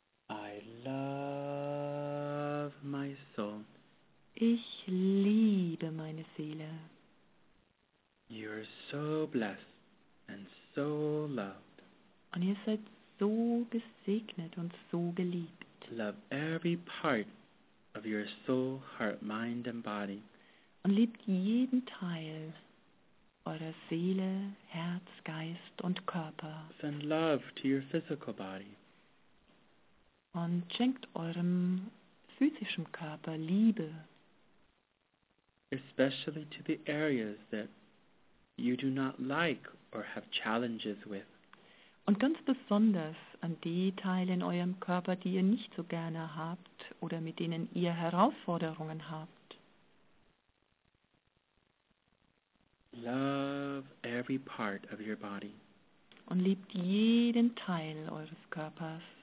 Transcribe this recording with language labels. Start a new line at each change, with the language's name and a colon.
English: I love my soul.
German: Ich liebe meine Seele.
English: You are so blessed and so loved.
German: Und ihr seid so gesegnet und so geliebt.
English: Love every part of your soul, heart, mind and body.
German: Und liebt jeden Teil eurer Seele, Herz, Geist und Körper.
English: Send love to your physical body.
German: Und schenkt eurem physischen Körper Liebe.
English: Especially to the areas that you do not like or have challenges with.
German: Und ganz besonders an die Teile in eurem Körper, die ihr nicht so gerne habt oder mit denen ihr Herausforderungen habt.
English: Love every part of your body.
German: Und liebt jeden Teil eures Körpers.